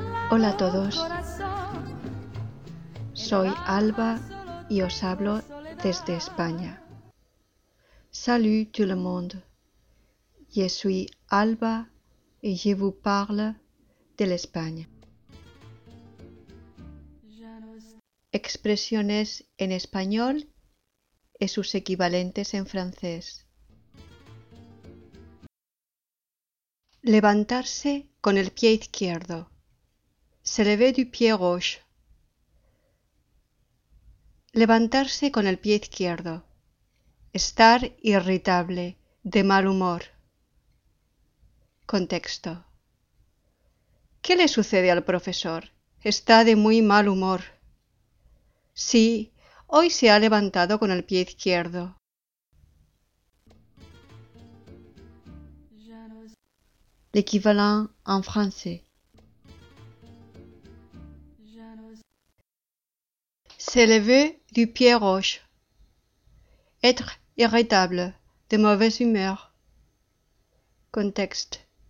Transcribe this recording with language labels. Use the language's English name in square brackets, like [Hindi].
[Spanish] Hola a todos, soy Alba y os hablo desde España. [French] Salut tout le monde, je suis Alba y je vous parle de l'Espagne. [Spanish] Expresiones en español y sus equivalentes en francés. Levantarse con el pie izquierdo. [French] Se lever du pied gauche. [Spanish] Levantarse con el pie izquierdo. Estar irritable, de mal humor. Contexto. ¿Qué le sucede al profesor? Está de muy mal humor. Sí, hoy se ha levantado con el pie izquierdo. [French] L'équivalent en français. Se lever du pied gauche. Être irritable, de mauvaise humeur. Contexte.